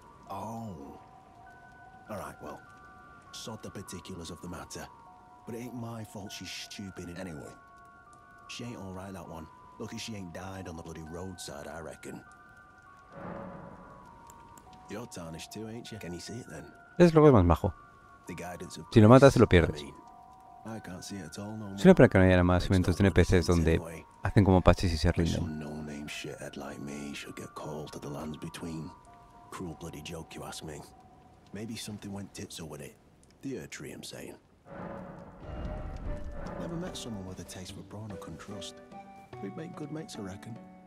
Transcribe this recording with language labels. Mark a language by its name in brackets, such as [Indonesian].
[English] Oh. All right, well. Sod the particulars of the matter. But it ain't my fault she's stupid in any way. She ain't all right, that one. Lucky she ain't died on the bloody roadside, I reckon. You're tarnished too, ain't you? Can you see it then? [Spanish] Es lo que más majo. Si lo matas, se lo pierdes. Es una pena que no haya más eventos de NPCs donde hacen como patches y se rinden. [English] No name shithead like me should get called to the lands between. Cruel bloody joke, you ask me. Maybe something went tits over it. The tree, I'm saying. Never met someone with a taste for brawn I can trust. We'd make good mates, I reckon.